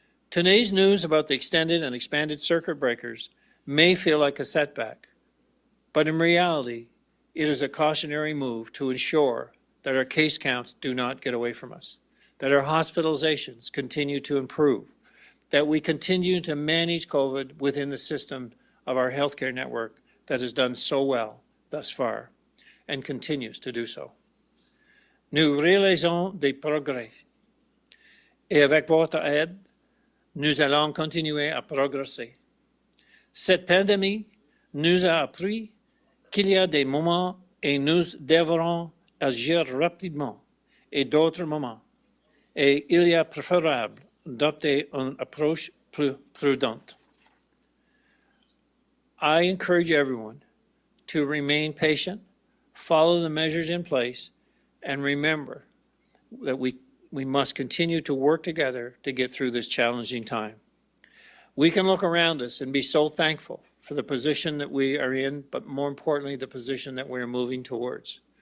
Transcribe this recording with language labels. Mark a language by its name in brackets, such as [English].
[English] Today's news about the extended and expanded circuit breakers may feel like a setback, but in reality, it is a cautionary move to ensure that our case counts do not get away from us, that our hospitalizations continue to improve, that we continue to manage COVID within the system of our healthcare network that has done so well thus far and continues to do so. [French] Nous réalisons des progrès. Et avec votre aide, nous allons continuer à progresser. Cette pandémie nous a appris qu'il y a des moments et nous devrons agir rapidement et d'autres moments. Et il est préférable d'opter une approche plus prudente. [English] I encourage everyone to remain patient, follow the measures in place, and remember that we must continue to work together to get through this challenging time. We can look around us and be so thankful for the position that we are in, but more importantly, the position that we're moving towards.